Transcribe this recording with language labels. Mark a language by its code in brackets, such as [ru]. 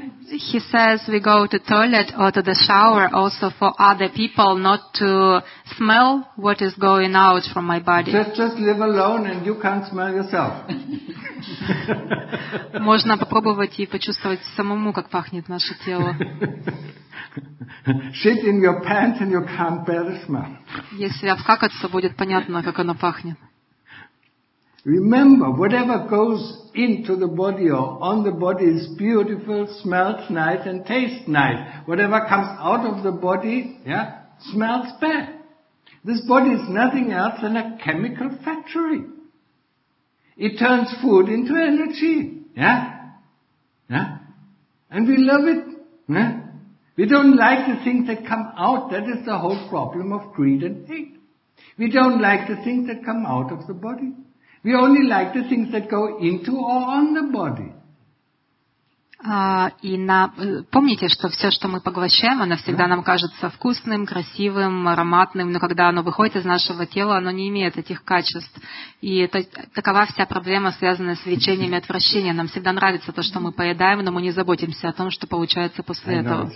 [en] He says we go to toilet or to the shower also for other people not to smell what is going out from my body. Just live alone and you can't smell yourself. [ru] Можно попробовать и почувствовать самому, как пахнет наше тело. [en] Shit in your pants and you can't bear the smell. [ru] Если обкакаться, будет понятно, как оно пахнет. [en] Remember, whatever goes into the body or on the body is beautiful, smells nice, and tastes nice. Whatever comes out of the body, yeah, smells bad. This body is nothing else than a chemical factory. It turns food into energy. Yeah? Yeah? And we love it. Yeah? We don't like the things that come out. That is the whole problem of greed and hate. We don't like the things that come out of the body. We only like the things that go into or on the body. [ru] И на, помните, что все, что мы поглощаем, оно всегда нам кажется вкусным, красивым, ароматным, но когда оно выходит из нашего тела, оно не имеет этих качеств. И это, такова вся проблема, связанная с влечениями и отвращения. Нам всегда нравится то, что мы поедаем, но мы не заботимся о том, что получается после этого.